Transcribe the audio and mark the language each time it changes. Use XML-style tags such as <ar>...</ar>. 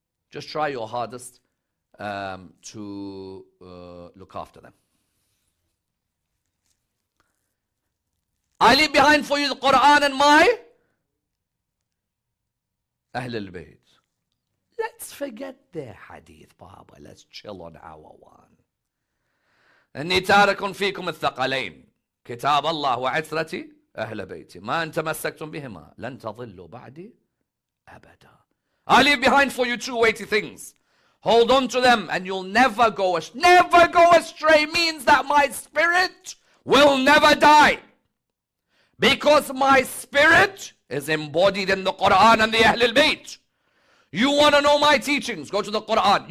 <en>Just try your hardest to look after them. I leave behind for you the Quran and my Ahlul Bayt. Let's forget their hadith, Baba. Let's chill on our one.</en> <ar>أَنِّي تَارَكُمْ فِيكُمْ الثَّقَلَيْنِ كِتَابَ اللَّهُ وَعِثْرَتِي أهل بيتي ما أنت مسكتم بهما لن تظلوا بعدي أبدا.</ar> <en>I leave behind for you two weighty things. Hold on to them and you'll never go astray. Never go astray means that my spirit will never die. Because my spirit is embodied in the Quran and the Ahlul Bayt. You want to know my teachings? Go to the Quran.</en>